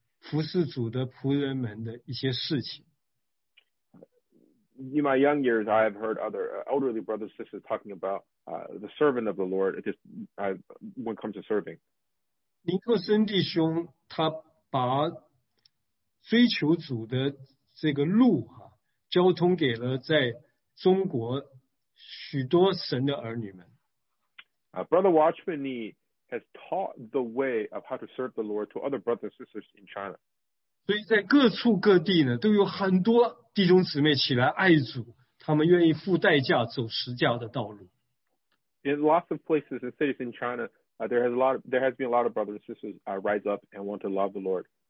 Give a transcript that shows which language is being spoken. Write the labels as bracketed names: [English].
[Chinese] 我在年轻的时候听见年长弟兄讲过去服侍主的仆人们的一些事情。 [English] In my young years, I have heard other elderly brothers and sisters talking about the servant of the Lord when it comes to serving. [Chinese] 尼克森弟兄他把追求主的这个路交通给了在中国许多神的儿女们。Brother [English] Watchman Nee has taught the way of how to serve the Lord to other brothers and sisters in China. [Chinese] 所以在各处各地呢，都有很多弟兄姊妹起来爱主，他们愿意付代价走十架的道路。In [English] lots of places and cities in China, there has been a lot of brothers and sisters rise up and want to love the Lord.